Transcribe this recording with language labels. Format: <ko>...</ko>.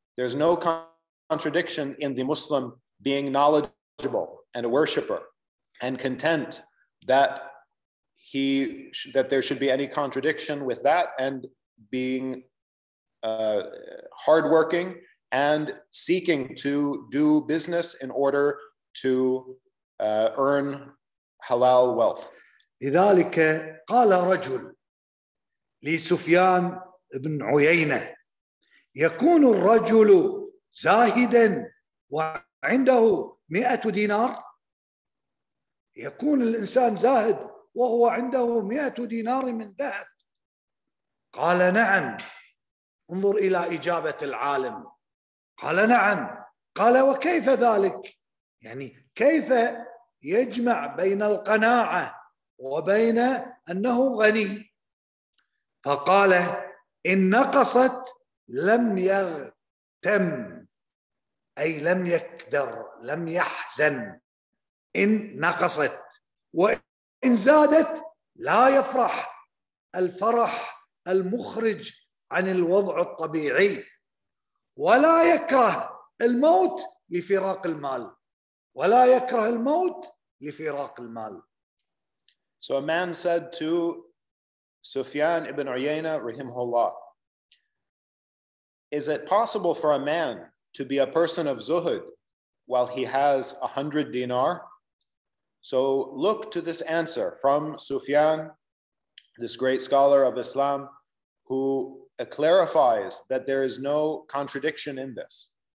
<en>There's no contradiction in the Muslim being knowledgeable and a worshiper and content, that he that there should be any contradiction with that, and being hardworking and seeking to do business in order to earn halal wealth.</en> <ar>لذلك قال رجل لسفيان بن عيينة يكون الرجل زاهدا عنده 100 دينار، يكون الإنسان زاهد وهو عنده 100 دينار من ذهب؟ قال نعم. انظر إلى إجابة العالم، قال نعم. قال وكيف ذلك؟ يعني كيف يجمع بين القناعة وبين أنه غني؟ فقال إن نقصت لم يغتم، أي لم يكدر، لم يحزن، إن نقصت، وإن زادت لا يفرح، الفرح المخرج عن الوضع الطبيعي، ولا يكره الموت لفراق المال، ولا يكره الموت لفراق المال.</ar> <en>So a man said to Sufyan ibn Uyayna, rahimahullah, is it possible for a man to be a person of zuhud while he has 100 dinar? So look to this answer from Sufyan, this great scholar of Islam, who clarifies that there is no contradiction in this.</en>